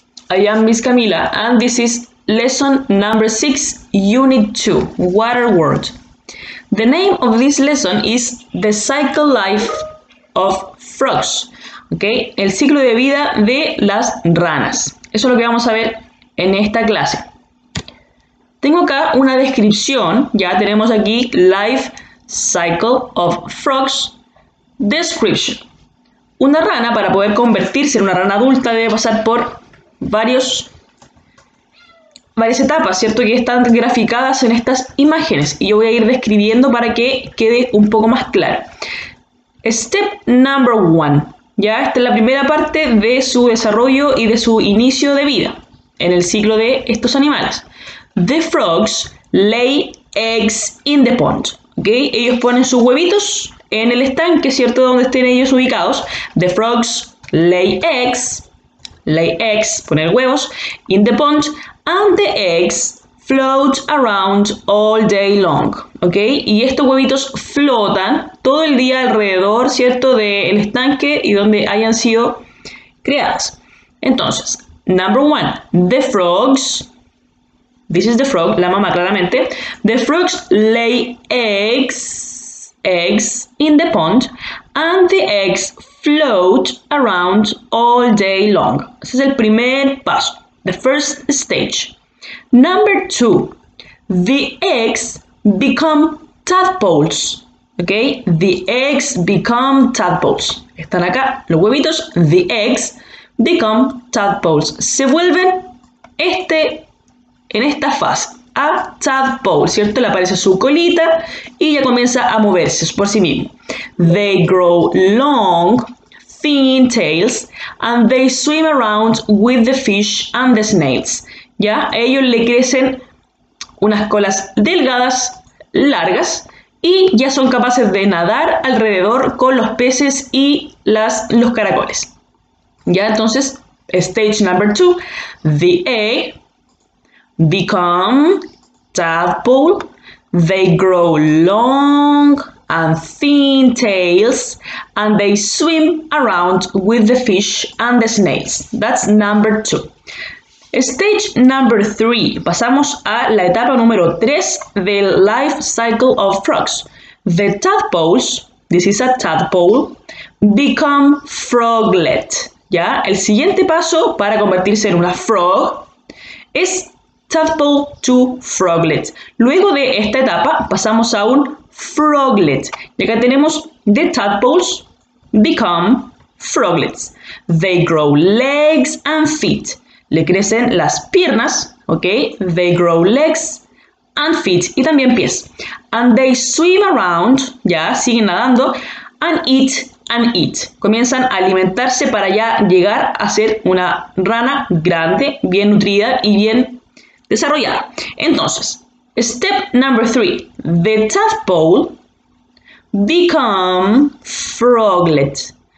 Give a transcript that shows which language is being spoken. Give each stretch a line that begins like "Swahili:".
English: I am Miss Camila, and this is lesson number 6, unit 2, Water World. The name of this lesson is The Cycle Life of Frogs, okay?
Spanish: El ciclo de vida de las ranas. Eso es lo que vamos a ver en esta clase. Tengo acá una descripción, ya tenemos aquí
English: Life Cycle of Frogs Description.
Spanish: Una rana, para poder convertirse en una rana adulta, debe pasar por varias etapas, ¿cierto? Que están graficadas en estas imágenes. Y yo voy a ir describiendo para que quede un poco más claro.
English: Step number one.
Spanish: Ya, esta es la primera parte de su desarrollo y de su inicio de vida en el ciclo de estos animales.
English: The frogs lay eggs in the pond. ¿Okay?
Spanish: Ellos ponen sus huevitos en el estanque, ¿cierto? Donde estén ellos ubicados.
English: The frogs lay eggs. Lay eggs,
Spanish: poner huevos.
English: In the pond. And the eggs float around all day long. ¿Ok?
Spanish: Y estos huevitos flotan todo el día alrededor, ¿cierto? Del estanque y donde hayan sido criadas.
English: Entonces, number one. The frogs. This is the frog,
Spanish: la mamá claramente.
English: The frogs lay eggs. Eggs in the pond, and the eggs float around all day long.
Spanish: Ese es el primer paso,
English: the first stage. Number two, the eggs become tadpoles. Okay, the eggs become tadpoles.
Spanish: Están acá los huevitos.
English: The eggs become tadpoles.
Spanish: Se vuelven en esta fase.
English: A tadpole,
Spanish: ¿cierto? Le aparece su colita y ya comienza a moverse por sí mismo.
English: They grow long, thin tails, and they swim around with the fish and the snails.
Spanish: Ya, a ellos le crecen unas colas delgadas, largas, y ya son capaces de nadar alrededor con los peces y los caracoles. Ya, entonces,
English: stage number two, the egg become tadpole, they grow long and thin tails, and they swim around with the fish and the snails. That's number two. Stage number three.
Spanish: Pasamos a la etapa número 3 del
English: life cycle of frogs. The tadpoles, this is a tadpole, become froglet.
Spanish: ¿Ya? El siguiente paso para convertirse en una frog es
English: tadpole to froglet.
Spanish: Luego de esta etapa pasamos a un froglet. Y acá tenemos
English: the tadpoles become froglets. They grow legs and feet.
Spanish: Le crecen las piernas, ¿ok?
English: They grow legs and feet.
Spanish: Y también pies.
English: And they swim around,
Spanish: ya siguen nadando,
English: and eat.
Spanish: Comienzan a alimentarse para ya llegar a ser una rana grande, bien nutrida y bien desarrollada.
English: Entonces, step number three. The tadpole become froglet.